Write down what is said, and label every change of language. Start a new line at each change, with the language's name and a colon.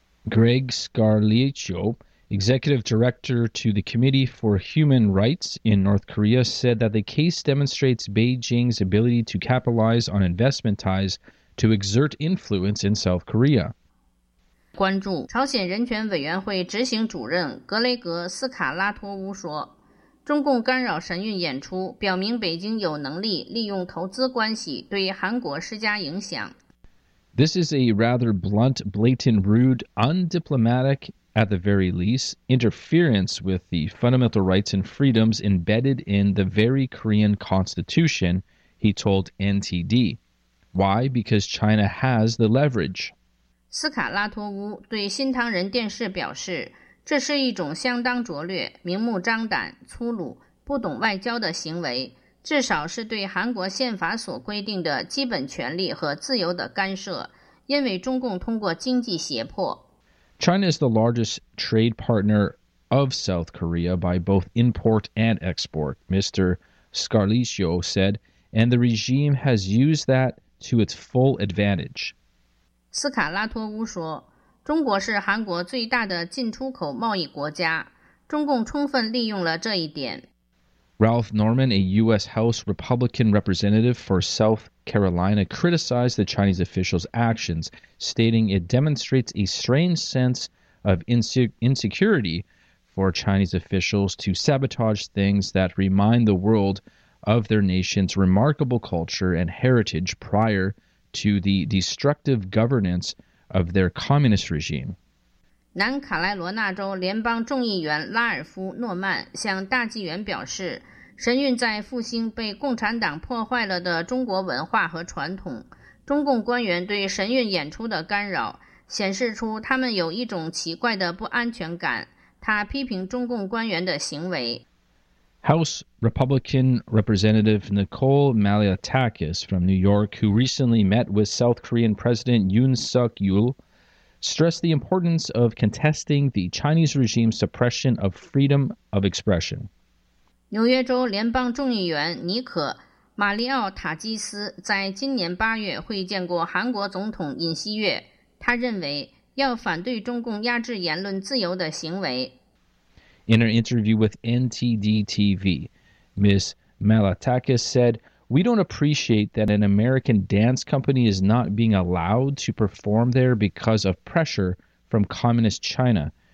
English: Greg Scarlicio, executive director to the Committee for Human Rights in North Korea, said that the case demonstrates Beijing's ability to capitalize on investment ties to exert influence in South Korea.
Chinese: 关注朝鲜人权委员会执行主任格雷格·斯卡拉托乌说。中共干扰神韵演出，表明北京有能力利用投资关系对韩国施加影响。
English: This is a rather blunt, blatant, rude, undiplomatic, at the very least, interference with the fundamental rights and freedoms embedded in the very Korean constitution, he told NTD. Why? Because China has the leverage.
Chinese: 斯卡拉托乌对新唐人电视表示，这是一种相当拙劣、明目张胆、粗鲁、不懂外交的行为，至少是对韩国宪法所规定的基本权利和自由的干涉，因为中共通过经济胁迫。
English: China is the largest trade partner of South Korea by both import and export, Mr. Scarlicio said, and the regime has used that to its full advantage.
Chinese: 斯卡拉托乌说，中国是韩国最大的进出口贸易国家，中共充分利用了这一点。
English: Ralph Norman, a U.S. House Republican representative for South Carolina, criticized the Chinese officials' actions, stating it demonstrates a strange sense of insecurity for Chinese officials to sabotage things that remind the world of their nation's remarkable culture and heritage prior to the destructive governance of their communist regime.
Chinese: 南卡莱罗纳州联邦众议员拉尔夫·诺曼向大纪元表示，神韵在复兴被共产党破坏了的中国文化和传统。中共官员对神韵演出的干扰，显示出他们有一种奇怪的不安全感。他批评中共官员的行为。
English: House Republican Representative Nicole Malliotakis from New York, who recently met with South Korean President Yoon Suk-yeol, stressed the importance of contesting the Chinese regime's suppression of freedom of expression.
Chinese: 纽约州联邦众议员尼可·马里奥塔基斯在今年八月会见过韩国总统尹锡悦，他认为要反对中共压制言论自由的行为。
English: In an interview with NTD TV, Ms. Malliotakis said, We don't appreciate that an American dance company is not being allowed to perform there because of pressure from communist China.